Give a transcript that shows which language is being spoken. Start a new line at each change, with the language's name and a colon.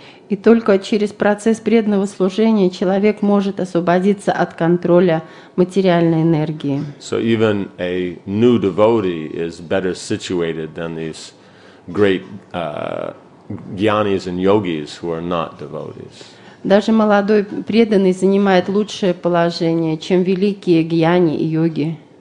Russian: И только через процесс преданного служения человек может освободиться от контроля материальной энергии.
English: So even a new devotee is better situated than these great gyanis and yogis who are not devotees.
Russian: Даже молодой преданный занимает лучшее положение, чем великие гьяни и йоги.